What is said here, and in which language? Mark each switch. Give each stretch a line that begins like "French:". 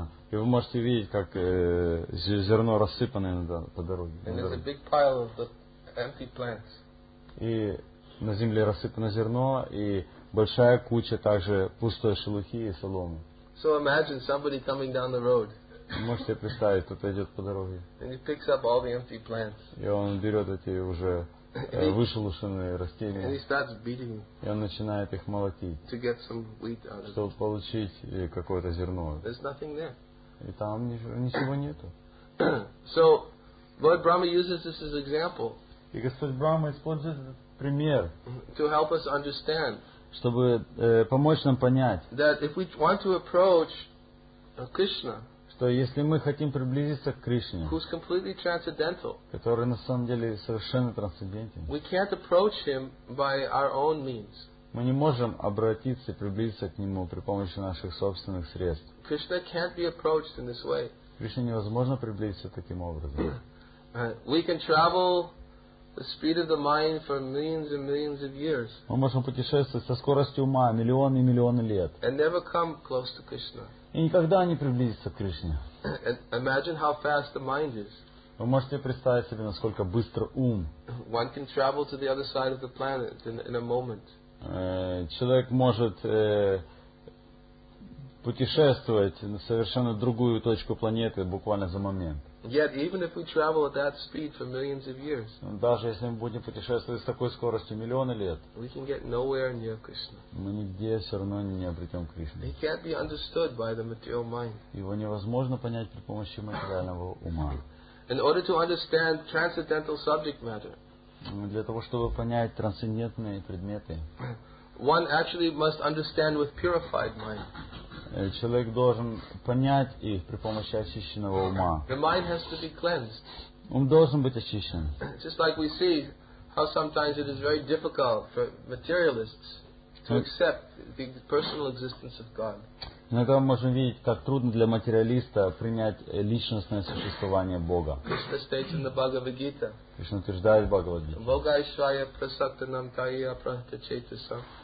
Russian: И вы можете видеть, как зерно рассыпанное по дороге.
English: And there's a big pile of the empty plants.
Russian: И на земле рассыпано зерно, и большая куча также пустой шелухи и соломы.
English: So imagine somebody coming down the road.
Russian: Можете представить, кто-то идет по дороге.
English: And he picks up all the empty plants.
Russian: И он берет эти уже вышелушенные растения.
English: And he starts beating.
Russian: И он начинает их молотить.
English: To get some wheat out of it.
Russian: Чтобы получить какое-то зерно.
English: There's nothing there.
Russian: И там ничего нету.
English: So Lord Brahma uses this as example.
Russian: И Господь Брахма использует этот пример.
English: To help us understand.
Russian: Чтобы помочь нам понять.
English: That if we want to approach Krishna.
Russian: То если мы хотим приблизиться к Кришне,
English: who's completely transcendental,
Russian: который на самом деле совершенно трансцендентен,
English: we can't approach him by our own means.
Russian: Мы не можем обратиться, приблизиться к нему при помощи наших собственных средств.
English: Krishna can't be approached in this way.
Russian: Кришне невозможно приблизиться таким образом.
English: We can travel the speed of the mind for millions and millions of years.
Russian: Мы можем путешествовать со скоростью ума миллионы и миллионы лет.
English: And never come close to Krishna.
Russian: И никогда не приблизиться к Кришне.
English: Imagine how fast the mind is.
Russian: Вы можете представить себе, насколько быстро ум.
English: One can travel to the other side of the planet in a moment.
Russian: Человек может путешествовать на совершенно другую точку планеты буквально за момент.
English: Yet even if we travel at that speed for millions of years,
Russian: даже если мы будем путешествовать с такой скоростью миллионы лет,
English: we can get nowhere near Krishna.
Russian: Мы нигде все равно не обретем Кришну.
English: He can't be understood by the material mind.
Russian: Его невозможно понять при помощи материального ума.
English: In order to understand transcendental subject matter,
Russian: для того чтобы понять трансцендентные предметы,
English: one actually must understand with purified mind.
Russian: Человек должен понять их при помощи очищенного ума.
English: The mind has to be cleansed.
Russian: Ум должен быть очищен.
English: Just like we see how sometimes it is very difficult for materialists to accept the personal existence of God.
Russian: Иногда мы можем видеть, как трудно для материалиста принять личностное существование Бога.
English: Krishna states in the Bhagavad Gita.
Russian: Кришна утверждает в Бхагавад-гите. Бога Ишвая Прасаттанам Тайя Прахтачетасам.